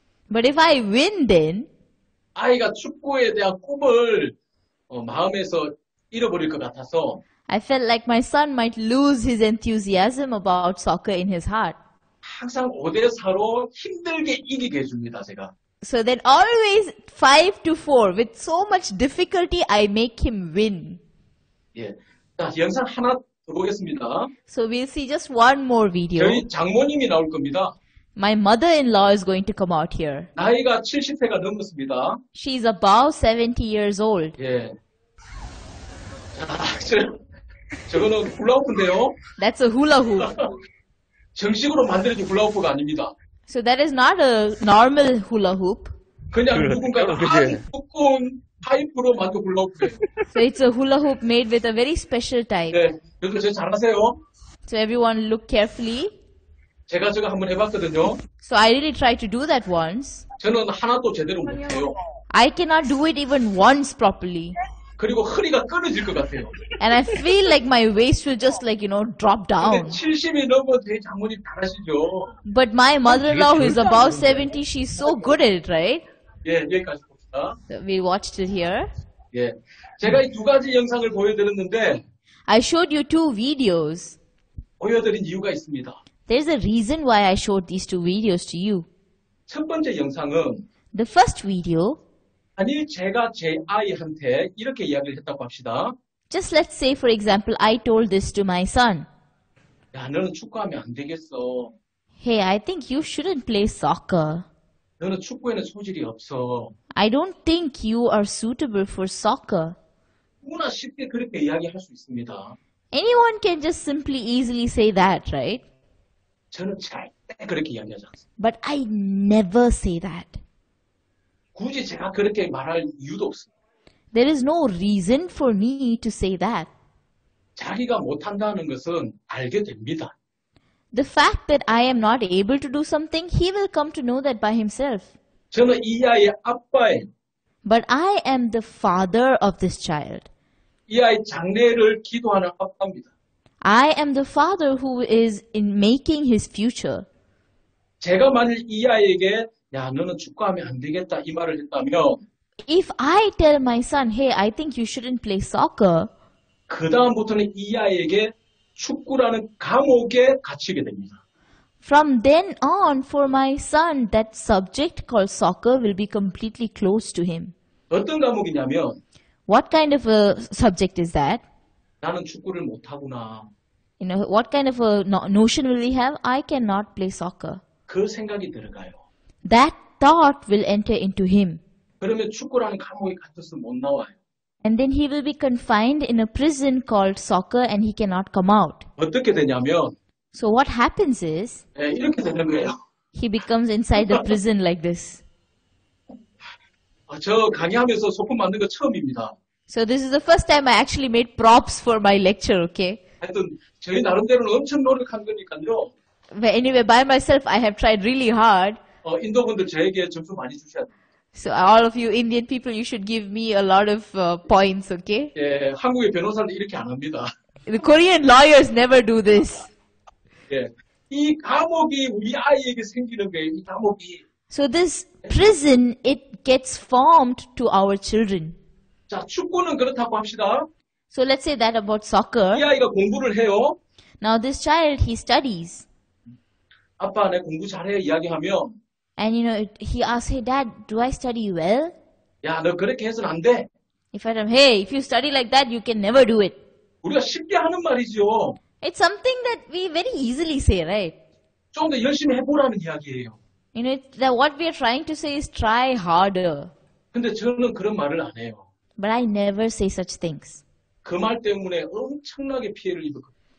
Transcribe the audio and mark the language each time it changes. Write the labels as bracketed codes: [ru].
[en] but if I win then, [ko] 아이가 축구에 대한 꿈을 마음에서 잃어버릴 것 같아서, [en] I felt like my son might lose his enthusiasm about soccer in his heart. [ko] 항상 5-4로 힘들게 이기게 해줍니다, 제가. [en] So then always 5-4, with so much difficulty, I make him win. [ko] 예. 자, 영상 하나 보겠습니다. [en] So we'll see just one more video. [ko] 저희 장모님이 나올 겁니다. [en] My mother-in-law is going to come out here. [ko] 나이가 70세가 넘었습니다. [en] She's about 70 years old. [ko] 예. 자, 저거는 훌라후프인데요. [en] That's a hula hoop. [ko] 정식으로 만들어진 훌라후프가 아닙니다. [en] So that is not a normal hula hoop. [ko] 그냥 누군가의 두꺼운 파이프로 만든 훌라후프예요. [en] So it's a hula hoop made with a very special type. [ko] 네, 여러분 제 잘하세요. [en] So everyone look carefully. [ko] 제가 저거 한번 해봤거든요. [en] So I really tried to do that once. [ko] 저는 하나도 제대로 못해요. [en] I cannot do it even once properly. [ko] 그리고 허리가 끊어질 것 같아요. [en] And I feel like my waist will just like, you know, drop down. [ko] 70이 넘어 제 장모님 잘하시죠. [en] But my mother-in-law who is about 70, she's so good at it, right? [ko] 예, 여기까지 봅시다. [en] So we watched it here. [ko] 예, 제가 이 두 가지 영상을 보여드렸는데 [en] I showed you two videos. [ko] 보여드린 이유가 있습니다. [en] There's a reason why I showed these two videos to you. [ko] 첫 번째 영상은 [en] The first video [ko] 만일 제가 제 아이한테 이렇게 이야기를 했다고 합시다. [en] Just let's say, for example, I told this to my son. [ko] 야, 너는 축구하면 안 되겠어. [en] Hey, I think you shouldn't play soccer. [ko] 너는 축구에는 소질이 없어. [en] I don't think you are suitable for soccer. [ko] 누구나 쉽게 그렇게 이야기할 수 있습니다. [en] Anyone can just simply easily say that, right? [ko] 저는 절대 그렇게 이야기하지 않습니다. [en] But I never say that. [ko] 굳이 제가 그렇게 말할 이유도 없습니다. [en] There is no reason for me to say that. [ko] 자기가 못한다는 것은 알게 됩니다. [en] The fact that I am not able to do something, he will come to know that by himself. [ko] 저는 이 아이의 아빠예요. [en] But I am the father of this child. [ko] 이 아이 장래를 기도하는 아빠입니다. [en] I am the father who is in making his future. [ko] 제가 만일 이 아이에게 야, 너는 축구하면 안 되겠다 이 말을 했다면 [en] If I tell my son, hey, I think you shouldn't play soccer, [ko] 그 다음부터는 이 아이에게 축구라는 감옥에 갇히게 됩니다. [en] From then on, for my son, that subject called soccer will be completely closed to him. [ko] 어떤 감옥이냐면 [en] What kind of a subject is that? [ko] 나는 축구를 못하구나. [en] You know, what kind of a notion will he have? I cannot play soccer. [ko] 그 생각이 들어가요. [en] That thought will enter into him. [ko] 그러면 축구라는 감옥에 갇혀서 못 나와요. [en] And then he will be confined in a prison called soccer and he cannot come out. [ko] 어떻게 되냐면 [en] So what happens is [ko] 네, 이렇게 되는 거예요. [en] He becomes inside the prison like this. [ko] 아, 저 강의하면서 소품 만든 거 처음입니다. [en] So this is the first time I actually made props for my lecture, okay? [ko] 하여튼 저희 나름대로는 엄청 노력한 거니까요. [en] But anyway, by myself, I have tried really hard. [ko] 인도 분들 저에게 점수 많이 주셔야 돼요. [en] So all of you Indian people, you should give me a lot of points, okay? [ko] 예, 한국의 변호사는 이렇게 안 합니다. [en] The Korean lawyers never do this. [ko] 예, 이 감옥이 우리 아이에게 생기는 게 이 감옥이. [en] So this prison, it gets formed to our children. [ko] 자, 축구는 그렇다고 합시다. [en] So let's say that about soccer. [ko] 이 아이가 공부를 해요. [en] Now this child, he studies. [ko] 아빠, 내 공부 잘해 이야기하면 [en] And you know, he asks, hey dad, do I study well? [ko] 야, 너 그렇게 해서는 안 돼. [en] If I tell him, hey, if you study like that, you can never do it. [ko] 우리가 쉽게 하는 말이죠. [en] It's something that we very easily say, right? [ko] 좀 더 열심히 해보라는 이야기예요. [en] You know, that what we are trying to say is try harder. [ko] 근데 저는 그런 말을 안 해요. [en] But I never say such things. [ko] 그 말 때문에 엄청나게 피해를 입을 거예요.